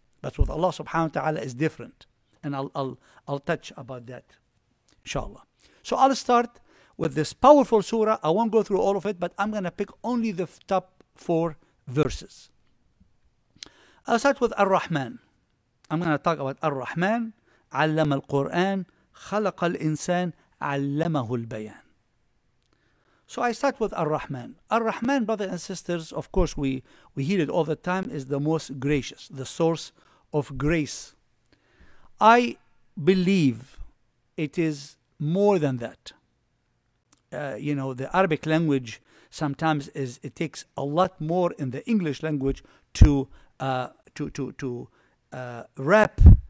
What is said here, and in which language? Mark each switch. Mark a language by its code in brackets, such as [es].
[en] But with Allah subhanahu wa ta'ala is different. And I'll touch about that, inshallah. So I'll start with this powerful surah. I won't go through all of it, but I'm going to pick only the top four verses. I'll start with Ar-Rahman. I'm going to talk about Ar-Rahman. [ar] علم القرآن خلق الإنسان علمه البيان. [en] So I start with Ar-Rahman. Ar-Rahman, brothers and sisters, of course we hear it all the time, is the most gracious, the source of grace. I believe it is more than that. You know, the Arabic language sometimes it takes a lot more in the English language to wrap.